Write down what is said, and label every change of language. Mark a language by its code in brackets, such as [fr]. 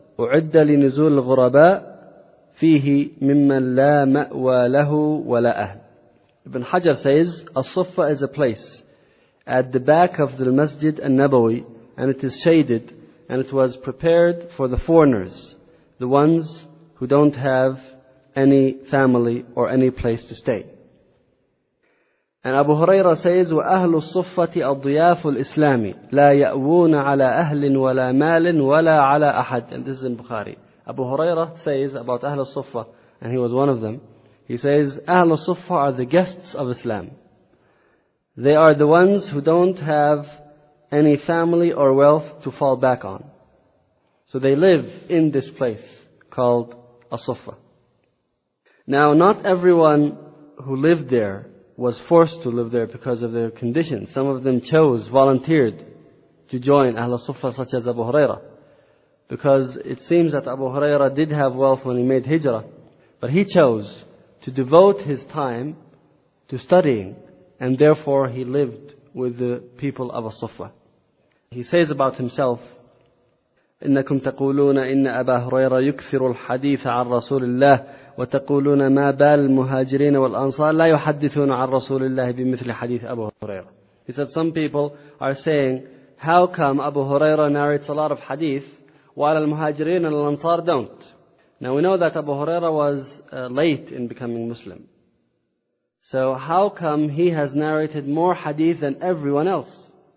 [ar] أعد لنزول الغرباء فيه ممن لا مأوى له ولا أهل. [en] Ibn Hajar says, As-Suffa is a place at the back of the Masjid al-Nabawi, and it is shaded, and it was prepared for the foreigners, the ones who don't have any family or any place to stay. And Abu Huraira says, [ar] وَأَهْلُ الصُّفَّةِ أَضْيَافُ الْإِسْلَامِ لَا يَأْوُونَ عَلَىٰ أَهْلٍ وَلَىٰ مَالٍ وَلَىٰ عَلَىٰ أَحَدٍ. [en] And this is in Bukhari. Abu Huraira says about Ahl al-Suffa, and he was one of them. He says, Ahl al-Suffa are the guests of Islam. They are the ones who don't have any family or wealth to fall back on. So they live in this place called As-Suffa. Now, not everyone who lived there was forced to live there because of their condition. Some of them chose, volunteered to join Ahl al-Suffa, such as Abu Huraira. Because it seems that Abu Huraira did have wealth when he made Hijrah, but he chose to devote his time to studying, and therefore he lived with the people of As-Suffah. He says about himself, [ar] إنكم تقولون إن أبا هريرة يكثر الحديث عن رسول الله وتقولون ما بال المهاجرين والأنصار لا يحدثون عن رسول الله بمثل حديث أبو هريرة. [en] He said some people are saying, how come Abu Huraira narrates a lot of hadith while al-Muhajirin and al-Ansar don't? Now we know that Abu Huraira was late in becoming Muslim. So how come he has narrated more hadith than everyone else?